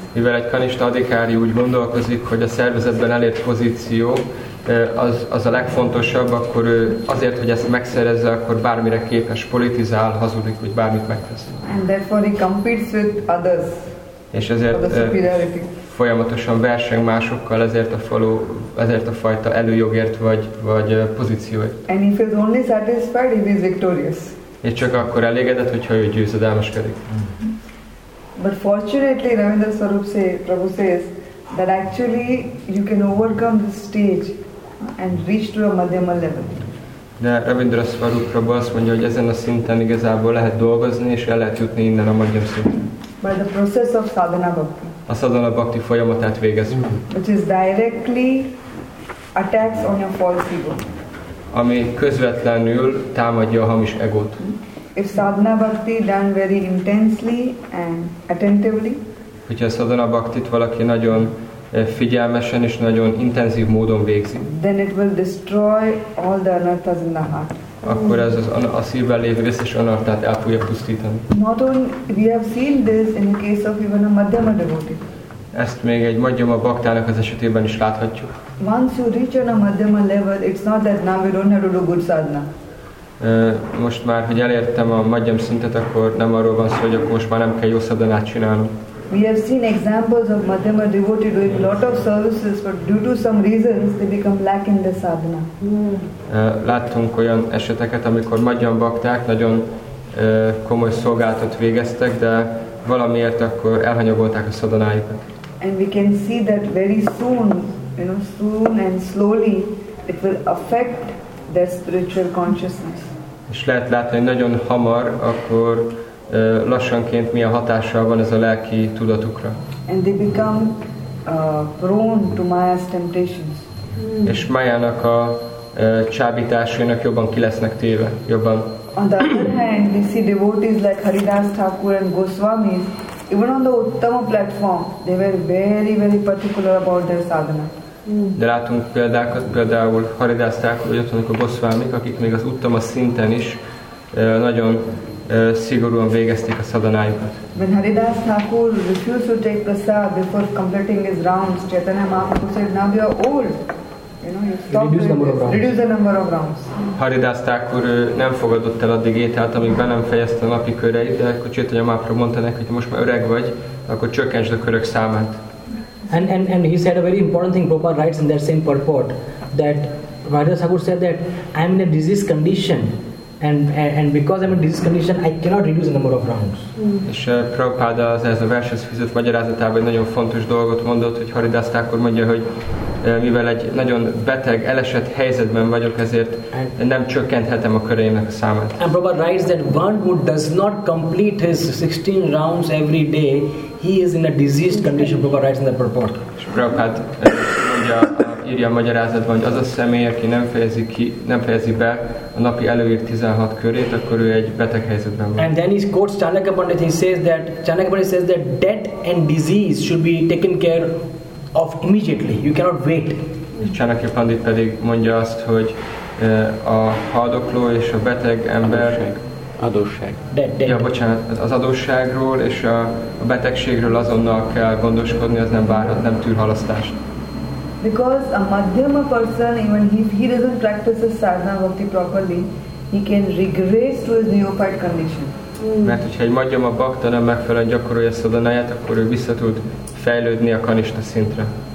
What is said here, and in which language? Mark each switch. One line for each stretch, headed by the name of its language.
Hungarian: Mivel egy kanista adhikári úgy gondolkozik, hogy a szervezetben elért pozíció, az a legfontosabb, akkor azért, hogy ezt megszerezze, akkor bármire képes, politizál, hazudik, hogy bármit megtesz.
English: And therefore he competes with others.
Hungarian: És ezért folyamatosan verseng másokkal ezért a fajta előjogért vagy pozícióért.
English: And if he is only satisfied, he is victorious.
Hungarian: És csak akkor elégedett, hogyha ő győzedelmeskedik.
English: But fortunately, Ravindra Swarup Prabhu says that actually you can overcome this stage and reach to a madhyama level.
Hungarian: De Ravindra Swarup Prabhu azt mondja, hogy ezen a szinten igazából lehet dolgozni és el lehet jutni innen a madhyam szinten.
English: By the process of sadhana bhakti.
Hungarian: A sadhana bhakti folyamatát végezzük.
English: Which is directly attacks on your false ego.
Hungarian: Ami közvetlenül támadja a hamis egót.
English: If sadhana bhakti done very intensely and attentively.
Hungarian: Hogyha a sadhana bhaktit valaki nagyon figyelmesen és nagyon intenzív módon végzi.
English: Then it will destroy all the anarthas in the heart.
Hungarian: Akkor ez a szívvel lévő összes anarthát el fogja pusztítani.
English: Not only we have seen this in the case of even a madhyama devotee.
Hungarian: Ezt még egy madhyama baktának az esetében is láthatjuk.
English: Once you reach on a madhyama level, it's not that now we don't have to do good sadhana.
Hungarian: Most már, hogy elértem a madhyam szintet, akkor nem arról van szó, hogy akkor most már nem kell jó szadhanát csinálnom.
English: We have seen examples of madhyama devotee doing lot of services, but due to some reasons they become lack in the sadhana.
Hungarian: Láttunk olyan eseteket, amikor madhyama bakták nagyon komoly szolgálatot végeztek, de valamiért akkor elhanyagolták a szadhanájukat.
English: And we can see that very soon, you know, soon and slowly it will affect their spiritual consciousness.
Hungarian: És lehet látni, hogy nagyon hamar, akkor lassanként milyen hatással van ez a lelki tudatukra.
English: And they become prone to Maya's temptations.
Hungarian: És Mayának a csábításainak jobban ki lesznek téve, jobban.
English: On the other hand, we see devotees like Haridas Thakur and Goswami, even on the Uttama platform, they were very, very particular about their sadhana.
Hungarian: De látunk példákat, például Haridász Thakur, vagy ott vannak a Goszvámik, akik még az Uttama szinten is nagyon szigorúan végezték a szadanájukat.
English: When Haridász Thakur refused to take prasad before completing his rounds, Chaitanya Mahaprabhu said, now you are old. Reduce the number of rounds.
Hungarian: Haridász Thakur nem fogadott el addig ételt, amíg be nem fejezte a napi köreit, de akkor Chaitanya Mahaprabhu mondta neki, hogy most már öreg vagy, akkor csökkentsd a körök számát.
English: And he said a very important thing, Prabhupada writes in that same purport, that Haridász Thakur said that I am in a disease condition, and because I am in a disease condition, I cannot reduce the number of rounds.
Hungarian: És Prabhupada ez a verses fizet magyarázatában egy nagyon fontos dolgot mondott, hogy Haridász Thakur mondja, hogy mivel egy nagyon beteg, elesett helyzetben vagyok, ezért nem csökkenthetem a köreimnek a számát.
English: And Prabhupada writes that one who does not complete his 16 rounds every day, he is in a diseased condition, Prabhupada writes in the purport.
Hungarian: És Prabhupada mondja, írja a magyarázatban, hogy az a személy, aki nem fejezi be a napi előírt 16 körét, akkor ő egy beteg helyzetben van.
English: And then he quotes Chanakya Pandit, he says that death and disease should be taken care of immediately. You cannot wait.
Hungarian: Chanakya Pandit pedig mondja azt, hogy a haldokló és a beteg ember adósság. De. Ja, bocsánat, az adósságról és a betegségről azonnal kell gondoskodni, az nem várhat, nem tűr halasztást.
English: Because a madhyama person, even if he doesn't practice his sadhana bhakti properly, he can regress to his neophyte condition.
Hungarian: Mert hogyha egy madhyama bhakta nem megfelelően gyakorolja szadanáját, akkor ő vissza tud fejlődni a kanista szintre.